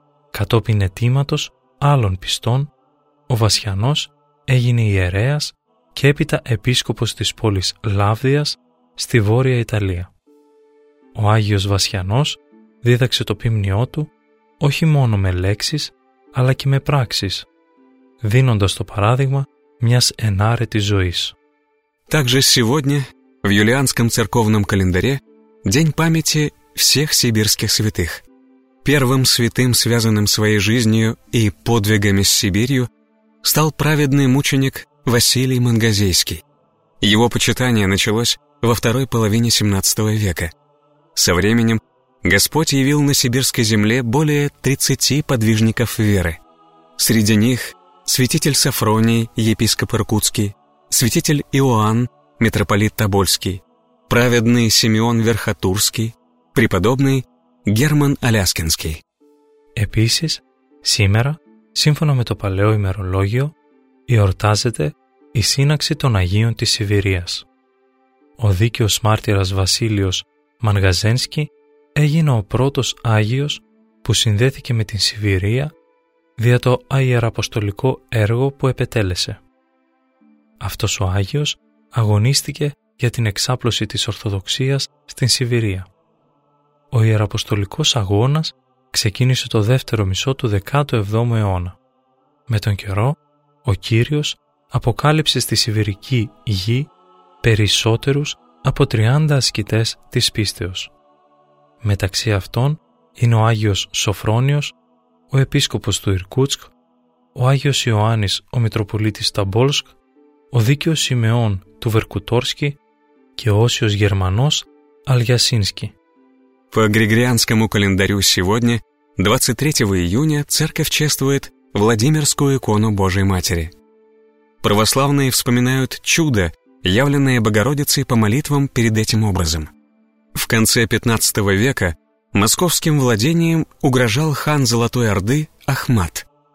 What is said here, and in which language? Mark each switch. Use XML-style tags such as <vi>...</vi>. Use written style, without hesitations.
<el>Κατόπιν αιτήματος άλλων πιστών, ο Βασιανός έγινε ιερέας και έπειτα επίσκοπος της πόλης Λαύδειας στη Βόρεια Ιταλία. Ο Άγιος Βασιανός δίδαξε το ποιμνιό του όχι μόνο με λέξεις, αλλά και με πράξεις, δίνοντας το παράδειγμα μιας ενάρετης ζωής.</el> <ru>Также сегодня, в юлианском церковном календаре, день памяти всех сибирских святых. Первым святым, связанным своей жизнью и подвигами с Сибирью, стал праведный мученик Василий Мангазейский. Его почитание началось во второй половине 17 века. Со временем Господь явил на сибирской земле более 30 подвижников веры. Среди них святитель Сафроний, епископ Иркутский, святитель Иоанн, митрополит Тобольский, праведный Симеон Верхотурский, преподобный Герман Аляскинский.</ru> <el>Επίσης, σήμερα, σύμφωνα με το παλαιό ημερολόγιο, εορτάζεται η σύναξη των Αγίων της Σιβηρίας. Ο δίκαιος μάρτυρας Βασίλειος Μανγαζένσκι έγινε ο πρώτος Άγιος που συνδέθηκε με την Σιβηρία δια το αιεραποστολικό έργο που επετέλεσε. Αυτός ο Άγιος αγωνίστηκε για την εξάπλωση της Ορθοδοξίας στην Σιβηρία. Ο ιεραποστολικός αγώνας ξεκίνησε το δεύτερο μισό του 17ου αιώνα. Με τον καιρό, ο Κύριος αποκάλυψε στη Σιβηρική γη περισσότερους από 30 ασκητές της πίστεως. Μεταξύ αυτών είναι ο Άγιος Σοφρόνιος, ο επίσκοπος του Ιρκούτσκ, ο Άγιος Ιωάννης, ο Μητροπολίτης Ταμπόλσκ, ο Δίκαιος Σιμεών του Βερκουτόρσκι και ο Όσιος Γερμανός Αλγιασίνσκι.</el> <ru>По Григорианскому календарю сегодня, 23 июня, церковь чествует Владимирскую икону Божией Матери. Православные вспоминают чудо, явленное Богородицей по молитвам перед этим образом. В конце 15 века московским владениям угрожал хан Золотой Орды Ахмат.</ru>